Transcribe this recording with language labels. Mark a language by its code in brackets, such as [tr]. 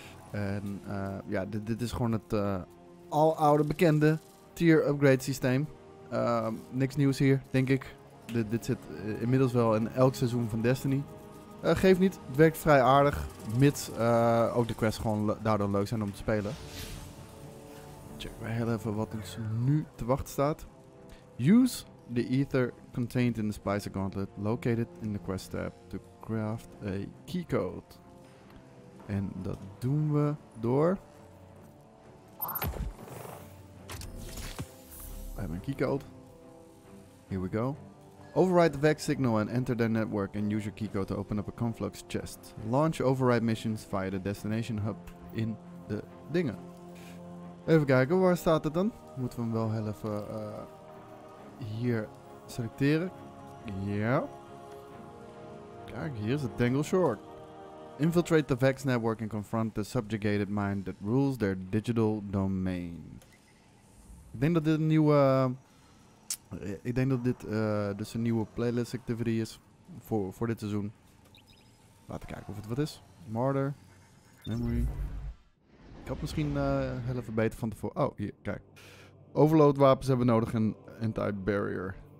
[nl] En ja, dit is gewoon het al oude bekende tier upgrade systeem. Niks nieuws hier, denk ik. Dit zit inmiddels wel in elk seizoen van Destiny. Geeft niet, het werkt vrij aardig. Mits ook de quests gewoon daardoor leuk zijn om te spelen. Checken we heel even wat ons nu te wachten staat. [en] Use the ether contained in the Splicer Gauntlet, located in the quest tab, to craft a keycode. [nl] En dat doen we door... We hebben een keycode. [en] Here we go. Override the Vex signal and enter their network and use your keycode to open up a Conflux chest. Launch override missions via the destination hub [nl] in de dingen. Even kijken, waar staat het dan? Moeten we hem wel heel even hier selecteren. Ja. Yeah. Kijk, hier is het Dangle Short. [en] Infiltrate the Vex network and confront the subjugated mind that rules their digital domain. [nl] Ik denk dat dit een nieuwe... dus een nieuwe playlist activity is voor dit seizoen. Laten we kijken of het wat is. Martyr. Memory. Ik had misschien heel even beter van tevoren. Oh, hier, kijk. Overloadwapens hebben nodig en anti-barrier.